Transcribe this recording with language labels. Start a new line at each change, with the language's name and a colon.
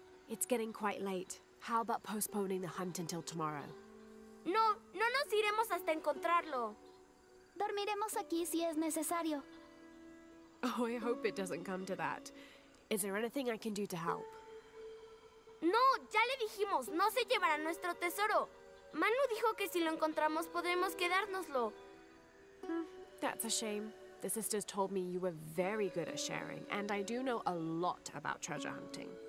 English: It's getting quite late. How about postponing the hunt until tomorrow?
Spanish: No, no nos iremos hasta encontrarlo. Dormiremos aquí si es necesario.
English: Oh, I hope it doesn't come to that. Is there anything I can do to help?
Spanish: No, ya le dijimos. No se llevará nuestro tesoro. Manu dijo que si lo encontramos, podremos quedárnoslo.
English: That's a shame. The sisters told me you were very good at sharing, and I do know a lot about treasure hunting.